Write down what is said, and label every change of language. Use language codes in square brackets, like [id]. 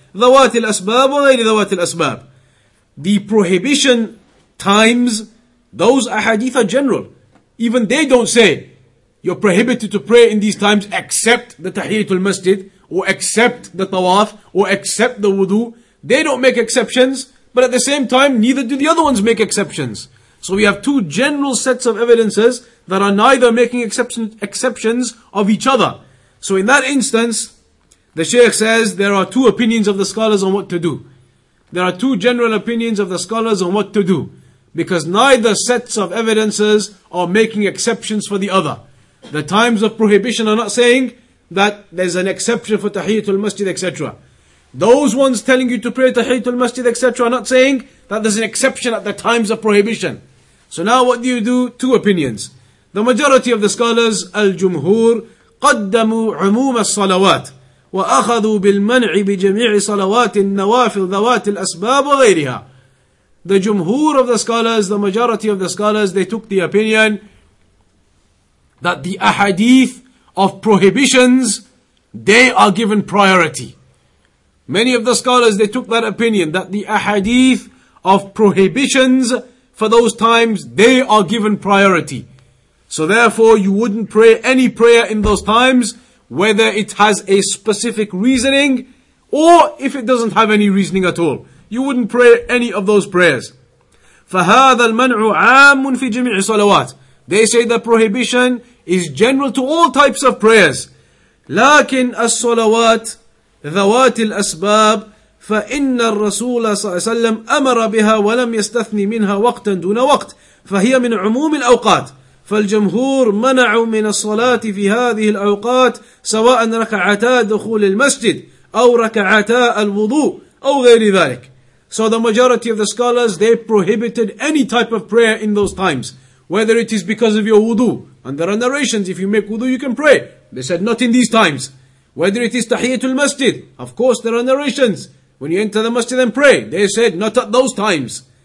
[ar] ذوات الأسباب وغير ذوات الأسباب. [en] The prohibition times, those ahadith are general. Even they don't say, you're prohibited to pray in these times except the tahiyatul masjid, or except the tawaf, or except the wudu. They don't make exceptions, but at the same time, neither do the other ones make exceptions. So we have two general sets of evidences that are neither making exceptions of each other. So in that instance, the Shaykh says there are two opinions of the scholars on what to do. There are two general opinions of the scholars on what to do. Because neither sets of evidences are making exceptions for the other. The times of prohibition are not saying that there's an exception for Tahiyyatul Masjid, etc. Those ones telling you to pray Tahiyyatul Masjid, etc. are not saying that there's an exception at the times of prohibition. So now what do you do? Two opinions. The majority of the scholars, [ar] Al-Jumhur, قدموا عموم الصلوات وأخذوا بالمنع بجميع صلوات النوافل ذوات الأسباب وغيرها. [en] The Jumhur of the scholars, the majority of the scholars, they took the opinion that the ahadith of prohibitions, they are given priority. Many of the scholars, they took that opinion that the ahadith of prohibitions for those times, they are given priority. So therefore, you wouldn't pray any prayer in those times, whether it has a specific reasoning, or if it doesn't have any reasoning at all. You wouldn't pray any of those prayers. [ar] فَهَذَا الْمَنْعُ عَامٌ فِي جَمِعِ صَلَوَاتٍ [en] They say the prohibition is general to all types of prayers. [ar] لكن الصلوات ذوات الأسباب فَإِنَّ الرَّسُولَ صَلَّى اللَّهُ عَلَيْهِ وَسَلَّمَ أَمَرَ بِهَا وَلَمْ يَسْتَثْنِ مِنْهَا وَقْتًا دُونَ وَقْتٍ فَهِيَ مِنْ عُمُومِ الْأَوْقَاتِ فالجمهور منعوا من الصلاة في هذه الأوقات سواء ركعتا دخول المسجد أو ركعتا الوضوء أو غير ذلك. [en] So the majority of the scholars, they prohibited any type of prayer in those times, whether it is because of your wudu. And there are narrations, if you make wudu, you can pray. They said, not in these times. Whether it is tahiyyatul masjid, of course there are narrations. When you enter the masjid and pray, they said, not at those times.